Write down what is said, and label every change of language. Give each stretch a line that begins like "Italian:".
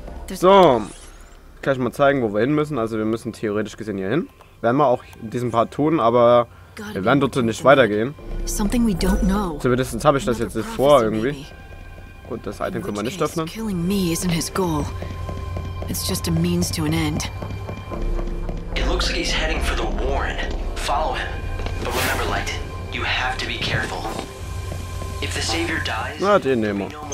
German: So, gleich mal zeigen, wo wir hin müssen. Also wir müssen theoretisch gesehen hier hin. Werden wir auch in diesem Part tun, aber wir werden dort nicht weitergehen. Zumindest habe ich das jetzt vor irgendwie. Gut, das Item können wir nicht öffnen.
English: Killing me isn't his goal. It's just a means to an end. It looks like he's heading for the Warren. Follow him. But remember, Light, you have to be careful. If the Savior dies,
German: na, den nehmen wir.